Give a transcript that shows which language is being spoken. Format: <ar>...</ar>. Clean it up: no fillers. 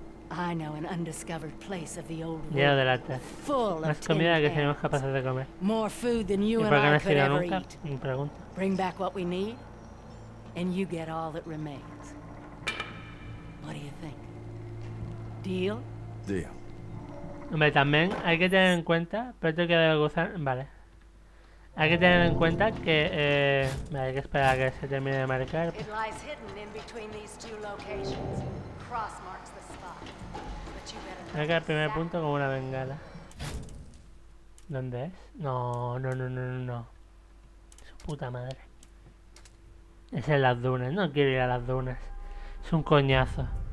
<en>I know an undiscovered place of the old world. Full of tinned eggs. More food than you and I could ever eat. Bring back what we need, and you get all that remains. What do you think? Deal? Deal.</en> <es>Hombre, también hay que tener en cuenta, pero tengo que dar el gusano, vale. Hay que tener en cuenta que hay que esperar a que se termine de marcar.</es> <en>It lies hidden in between these two locations. Cross marks the spot. But you better.</en> <es>Hay que ir al primer punto con una bengala. ¿Dónde es? No. Su puta madre. Es en las dunas, no quiero ir a las dunas. Es un coñazo.</es>